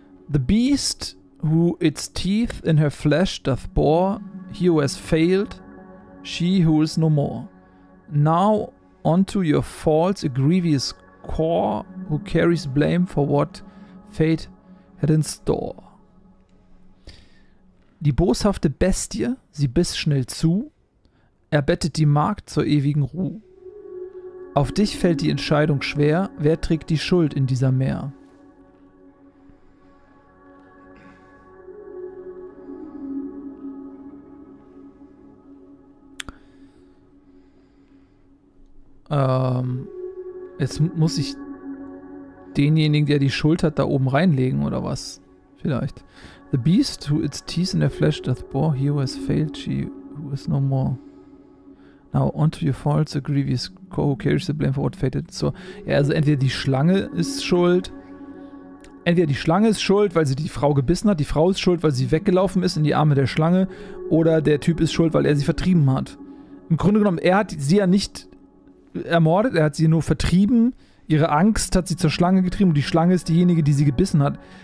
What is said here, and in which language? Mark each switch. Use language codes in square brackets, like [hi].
[en] The beast who its teeth in her flesh doth bore, he who has failed, she who is no more. Now unto your faults a grievous core, who carries blame for what fate had in store. [de] Die boshafte Bestie, sie biss schnell zu, er bettet die Magd zur ewigen Ruh. Auf dich fällt die Entscheidung schwer, wer trägt die Schuld in dieser Mär? Jetzt muss ich denjenigen, der die Schuld hat, da oben reinlegen, oder was? Vielleicht. [en] The beast who its teeth in their flesh doth bore, he who has failed, she who is no more. Now unto your faults a grievous core, who carries the blame for what fated. [de] So, ja, also entweder die Schlange ist schuld, weil sie die Frau gebissen hat, die Frau ist schuld, weil sie weggelaufen ist in die Arme der Schlange, oder der Typ ist schuld, weil er sie vertrieben hat. Im Grunde genommen, er hat sie ja nicht ermordet, er hat sie nur vertrieben, ihre Angst hat sie zur Schlange getrieben und die Schlange ist diejenige, die sie gebissen hat.